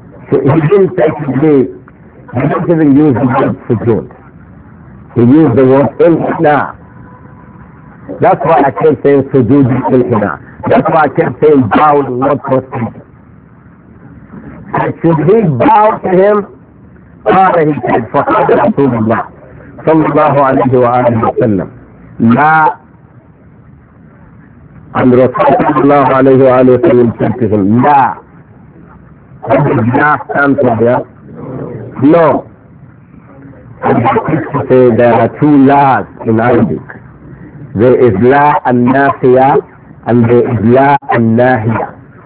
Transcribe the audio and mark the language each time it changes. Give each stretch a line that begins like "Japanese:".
English: So he didn't actually, he didn't even use the word sujood. He used the word inna. That's why I kept saying sujood inna. That's why I kept saying bow to not prostrate. Should he bow to him? Qala, he said,
Arabic: فَقَدْ رَسُولُ اللَّهِ صَلَّى اللَّهُ عَلَيْهِ وَآلِهِ وَسَلَّمْ لَا.
English: And Rasulullah
Arabic: صَلَّى اللَّهُ عَلَيْهِ وَآلِهِ وَسَلَّمْ
English: said to him, لَا. What does لَا stand for there? No. And he used to say there are two لَاs in Arabic. There is
Arabic: لَا النَّاسِيَة
English: and there is
Arabic: لَا النَّاهِيَة.